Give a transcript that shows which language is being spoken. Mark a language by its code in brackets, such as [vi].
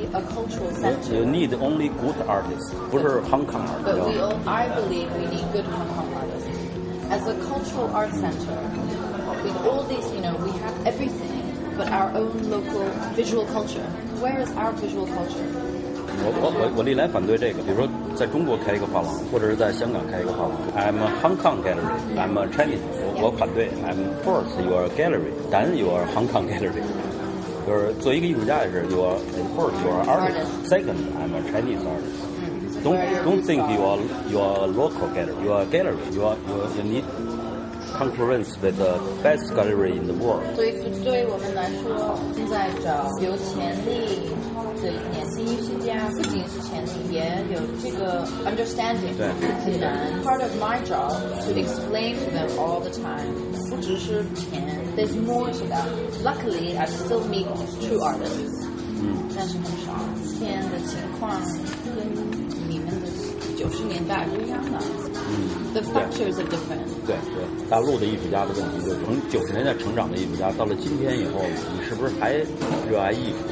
[en] But we still need our Hong Kong artists. You need only good artists, [zh] 不是 [en] Hong Kong artists. But I believe we need good Hong Kong artists. As a cultural art center, with all this, you know, we have everything but our own local visual culture. Where is our visual culture? [zh] 我历来反对这个，比如说在中国开一个画廊，或者是在香港开一个画廊。 [en] I'm a Hong Kong gallery, I'm a Chinese. [zh] 我反对。 [en] I'm first your gallery, then your Hong Kong gallery. [zh] 就是做一个艺术家也是 [en] first your artist, second I'm a Chinese artist. Don't think your local gallery, you need concurrence with the best gallery in the world. [zh] 对我们来说，现在找有潜力的年轻艺术家，不仅是潜力，也有这个 understanding 对很难。 [en] Part of my job to explain to them all the time, [zh] 不只是钱 [en] there's more to that. Luckily, I still meet true artists. [zh] 但是很少，现在的情况跟你们的90年代不一样了。 [en] The factors are different. [zh] 对，大陆的艺术家的问题，就从90年代成长的艺术家，到了今天以后，你是不是还热爱艺术？